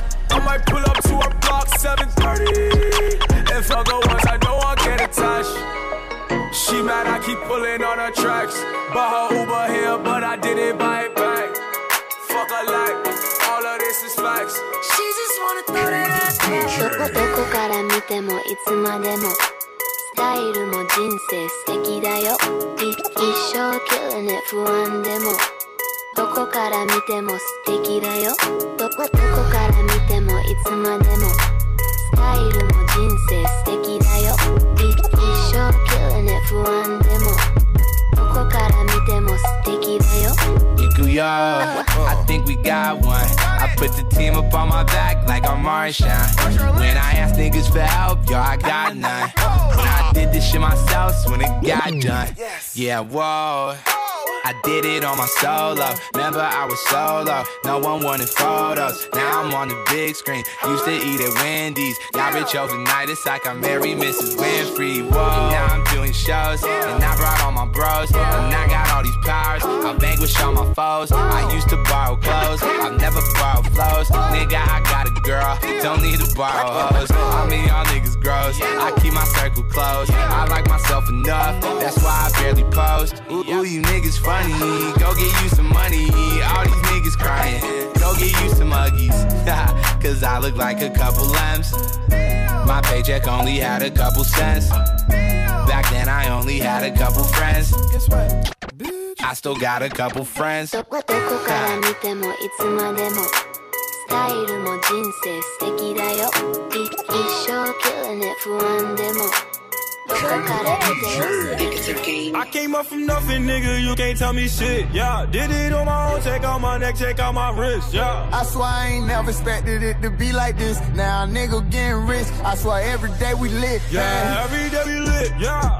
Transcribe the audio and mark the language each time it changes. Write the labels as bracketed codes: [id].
[en] I might pull up to a block 7:30. If I go once, I know I'll get attached. She mad, I keep pulling on her tracks. Bought her Uber here, but I didn't buy it back. Fuck her like, all of this is facts. She just wanna throw that ass in. [ja] どこから見てもいつまでもスタイルも人生素敵だよ。一生 [en] killing it [ja] 不安でもどこから見ても素敵だよ。どこから見てもいつまでもスタイルも人生素敵だよ。一生 [en] killing it [ja] 不安でもどこから見ても素敵だよ。行くよ。 [en] I think we got one. I put the team up on my back like I'm Marshawn. When I ask niggas for help, yo, I got none. When I did this shit myself, when it got done. Yeah, whoa, I did it on my solo. Remember I was solo, no one wanted photos. Now I'm on the big screen, used to eat at Wendy's. Got rich overnight, it's like I'm Mary Mrs. Winfrey. Whoa, and now I'm doing shows, and I brought all my bros. And I got all these powers, I vanquish all my foes. I used to borrow clothes, I've never borrowed flows. Nigga, I got a girl, don't need to borrow hoes. I mean, y'all niggas gross, I keep my circle closed. I like myself enough, that's why I barely post. Ooh, you niggas funny, go get you some money. All these niggas crying, go get you some Uggies. Cause I look like a couple M's. My paycheck only had a couple cents. Back then I only had a couple friends. Guess what? I still got a couple friends. [ja] どこから見てもいつまでもスタイルも人生素敵だよ。一生 [en] killing it [ja] 不安でも。 [en] I came up from nothing, nigga, you can't tell me shit. Yeah, did it on my own, take out my neck, take out my wrist. Yeah, I swear I ain't never expected it to be like this. Now a nigga getting rich, I swear every day we lit. Yeah, man. Every day we lit, yeah.